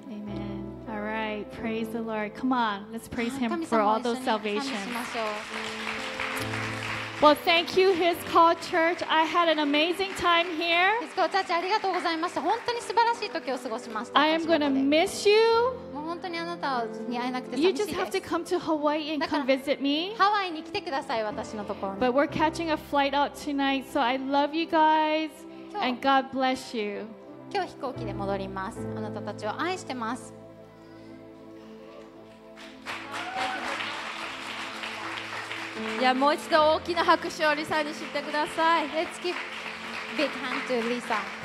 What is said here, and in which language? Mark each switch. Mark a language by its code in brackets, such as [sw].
[en] Amen. All right. Praise the Lord. Come on. Let's praise Him for all those salvations. [ja] 神様を一緒に賛美しましょう。 [en] Well, thank you, His Call Church. I had an amazing time here. [ja] His Call Church, ありがとうございました。本当に素晴らしい時を過ごしました。 [en] I am going to miss you. [ja] もう本当にあなたに会えなくて寂しいです。 [en] You just have to come to Hawaii and come visit me. [ja] ハワイに来てください、私のところに。 [en] But we're catching a flight out tonight, so I love you guys and God bless you. [ja] 今日飛行機で戻ります。あなたたちを愛してます。いやもう一度大きな拍手をリサにしてください。 [en] Let's give a big hand to Lisa.